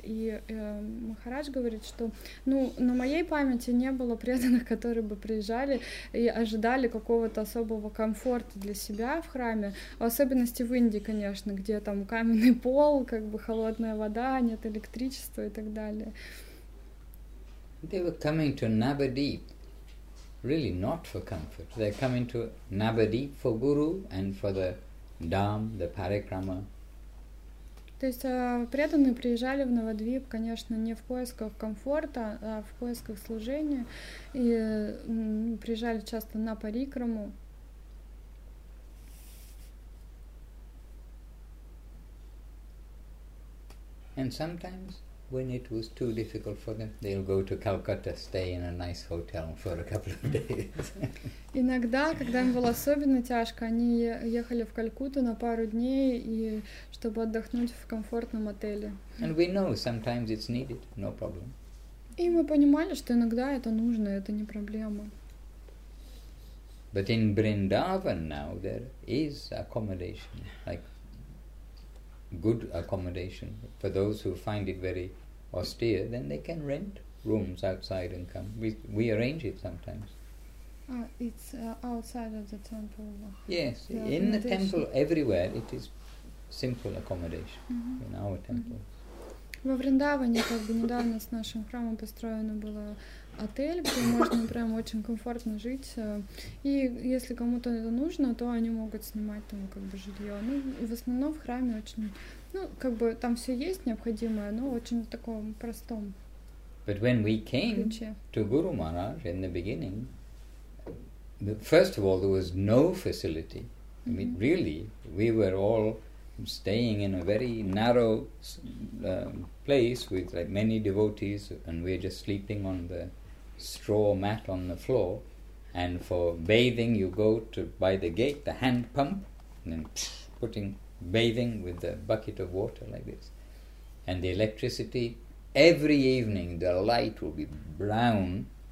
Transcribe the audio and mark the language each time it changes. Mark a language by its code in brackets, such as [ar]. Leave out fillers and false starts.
[ru] И Махарадж говорит, что, ну, на моей памяти не было преданных, которые бы приезжали и ожидали какого-то особого комфорта для себя в храме, в особенности в Индии, конечно, где там каменный пол, как бы холодная вода, нет электричества и так далее. [en] They were coming to Navadvip, really not for comfort. They're coming to Navadvip for Guru and for the Dham, the Parikrama. [ru] То есть преданные приезжали в Навадвип, конечно, не в поисках комфорта, а в поисках служения, и приезжали часто на Парикраму. [en] And sometimes, when it was too difficult for them, they'll go to Calcutta, stay in a nice hotel for a couple of days. [ru] Иногда, когда им было особенно тяжко, они ехали в Калькутту на пару дней, и чтобы отдохнуть в комфортном отеле. [en] And we know sometimes it's needed, no problem. [ru] И мы понимали, что иногда это нужно, это не проблема. [en] But in Vrindavan now there is accommodation, like good accommodation. For those who find it very austere, then they can rent rooms outside and come. We arrange it sometimes. It's outside of the temple. Yes, in the temple everywhere it is simple accommodation, mm-hmm. in our temple. [ru] Во Вриндаване, как бы недавно с нашим храмом построено было отель, где можно прям очень комфортно жить. И если кому-то это нужно, то они могут снимать там как бы жилье. Ну, в основном в храме очень, ну, как бы там все есть необходимое, но очень в таком простом. [en] But when we came [ru] ключе. [en] To Guru Maharaj in the beginning, first of all, there was no facility. I mean, really, we were all staying in a very narrow place with like many devotees, and we're just sleeping on the straw mat on the floor, and for bathing you go to by the gate, the hand pump, and then bathing with the bucket of water like this, and the electricity every evening, the light will be brown